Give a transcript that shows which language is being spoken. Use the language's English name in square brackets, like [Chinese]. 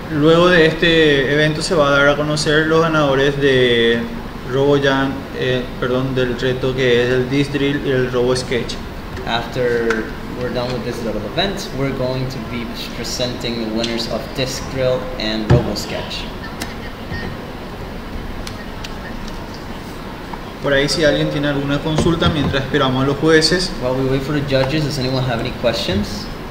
[Spanish] Luego de este evento se va a dar a conocer los ganadores de RoboJam, perdón, del reto que es el Disc Drill y el Robo Sketch. [English] After we're done with this little event, we're going to be presenting the winners of Disc Drill and Robo Sketch. [Spanish] Por ahí si alguien tiene alguna consulta mientras esperamos a los jueces. [English] While we wait for the judges, does anyone have any questions?